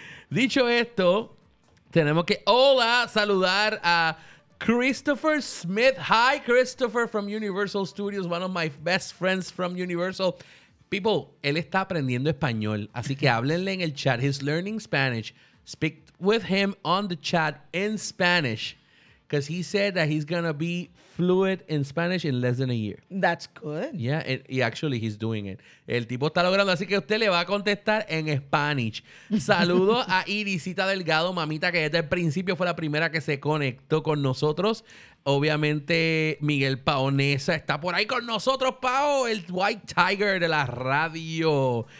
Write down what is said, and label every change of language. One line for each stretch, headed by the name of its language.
Spanish: Dicho esto, tenemos que, hola, saludar a Christopher Smith.
English: Hi, Christopher from Universal Studios, one of my best friends from Universal.
Spanish: People, él está aprendiendo español, así que háblenle en el chat.
English: He's learning Spanish. Speak with him on the chat in Spanish. Because he said that he's going to be fluent in Spanish in less than a year. That's good. Yeah, and actually he's doing it.
Spanish: El tipo está logrando, así que usted le va a contestar en Spanish. Saludo a Irisita Delgado, mamita, que desde el principio fue la primera que se conectó con nosotros. Obviamente, Miguel Paonesa está por ahí con nosotros, Pao, el White Tiger de la radio.